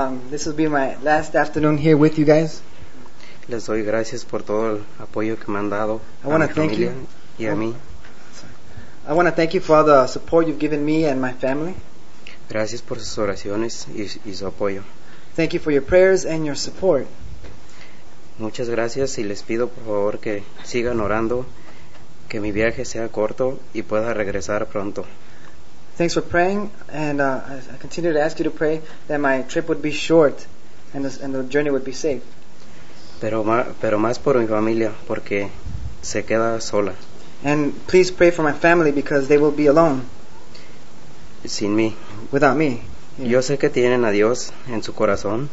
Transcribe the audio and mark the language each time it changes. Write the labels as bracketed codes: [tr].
[en] This will be my last afternoon here with you guys. [es] Les doy gracias por todo el apoyo que me han dado. [en] I want to thank you. [es] Y a mí. [en] I want to thank you for all the support you've given me and my family. [es] Gracias por sus oraciones y su apoyo. [en] Thank you for your prayers and your support. [es] Muchas gracias y les pido por favor que sigan orando, que mi viaje sea corto y pueda regresar pronto. [en] Thanks for praying and I continue to ask you to pray that my trip would be short and the journey would be safe. [es] Pero más por mi familia porque se queda sola. [en] And please pray for my family because they will be alone. [es] Sin mí. [en] Without me. [es] Yo sé que tienen a Dios en su corazón.